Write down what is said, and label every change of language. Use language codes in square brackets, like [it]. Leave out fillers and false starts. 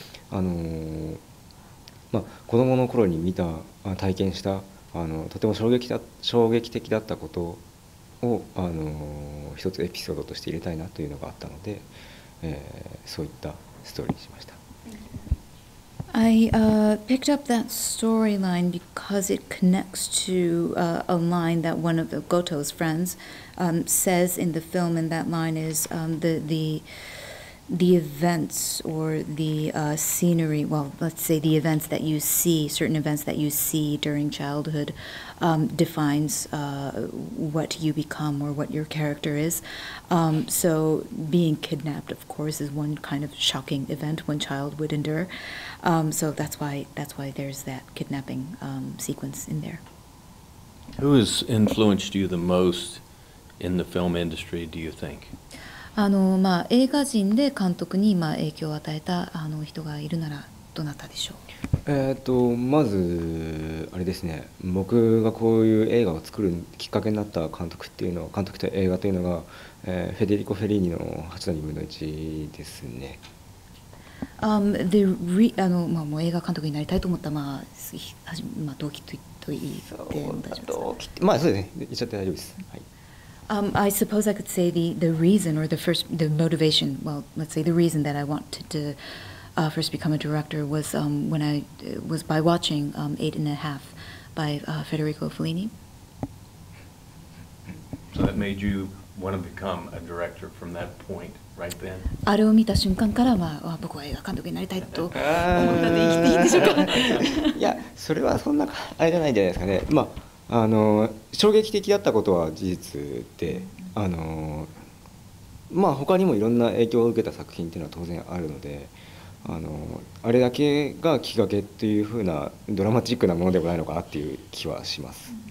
[ja] 子供の頃に見た体験したとても衝撃的だったことを一つエピソードとして入れたいなというのがあったので、そういったストーリーにしました。 [en] I picked up that storyline because it connects to a line that one of the Goto's friends says in the film, and that line is the events or the scenery, well, let's say the events that you see, certain events that you see during childhood defines what you become or what your character is. So being kidnapped, of course, is one kind of shocking event one child would endure. So that's why there's that kidnapping sequence in there. Who has influenced you the most in the film industry, do you think? [ja] 映画人で監督に影響を与えた人がいるならどなたでしょう。まずあれですね、僕がこういう映画を作るきっかけになった監督っていうのは、監督と映画というのが、フェデリコ・フェリーニの8の2分の1ですね。映画監督になりたいと思った、動機と言って大丈夫ですか。そうですね、言っちゃって大丈夫です、はい。 [en] I suppose I could say the reason or the motivation, well, let's say the reason that I wanted to first become a director was when I was by watching 8 and a Half by Federico Fellini. So that made you want to become a director from that point right then? [ja] あれを見た瞬間から、僕は映画監督になりたいと思ったので生きていいんでしょうか。いや、それはそんなあれじゃないんじゃないですかね。衝撃的だったことは事実で、他にもいろんな影響を受けた作品というのは当然あるので、あれだけがきっかけというふうなドラマチックなものでもないのかなという気はします。